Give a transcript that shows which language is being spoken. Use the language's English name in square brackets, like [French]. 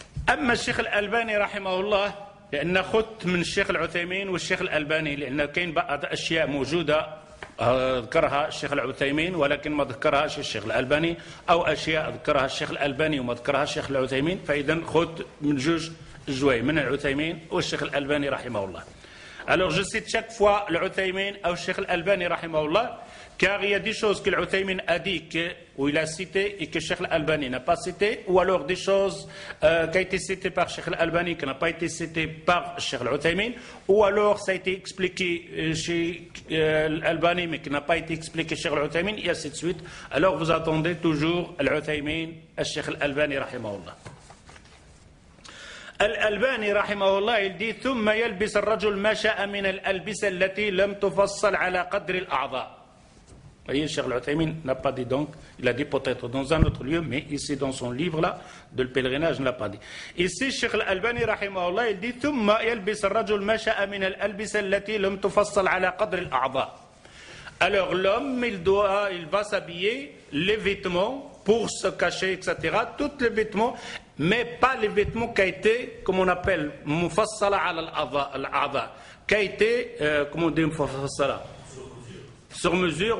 [Arabic] أما الشيخ الألباني رحمه الله، لأن خدت من الشيخ العثيمين والشيخ الألباني، لأن كاين بعض أشياء موجودة ذكرها الشيخ العثيمين ولكن ما ذكرهاش الشيخ الألباني، أو أشياء ذكرها الشيخ الألباني وما ذكرها الشيخ العثيمين، فإذا خدت من جوج جوي من العثيمين والشيخ الألباني رحمه الله. [French] Alors je cite chaque fois l'Uthaymin ou Cheikh l'Albani, rahimahullah, car il y a des choses que l'Uthaymin a dit, ou il a cité, et que Cheikh l'Albani n'a pas cité, ou alors des choses qui ont été citées par Cheikh l'Albani, qui n'ont pas été citées par Cheikh l'Uthaymin, ou alors ça a été expliqué chez l'Albani, mais qui n'a pas été expliqué chez l'Uthaymin, et ainsi de suite. Alors vous attendez toujours l'Uthaymin ou Cheikh l'Albani, rahimahullah. [Arabic] الألباني رحمه الله يلدي ثم يلبس الرجل ما شاء من الألبسة التي لم تفصل على قدر الأعضاء. أي الشيخ العثيمين [French] n'a pas dit donc, il a dit peut-être dans un autre lieu, mais ici dans son livre là, de le pèlerinage, n'a pas dit. [Arabic] Ici الشيخ الألباني رحمه الله يلدي ثم يلبس الرجل ما شاء من الألبسة التي لم تفصل على قدر الأعضاء. [French] Alors l'homme, il va s'habiller les vêtements pour se cacher, etc. Tous les vêtements, mais pas les vêtements qui ont été, comme on appelle, [Arabic] mufassala ala al-a'dha, [French] qui ont été, comment on dit mufassala, sur mesure,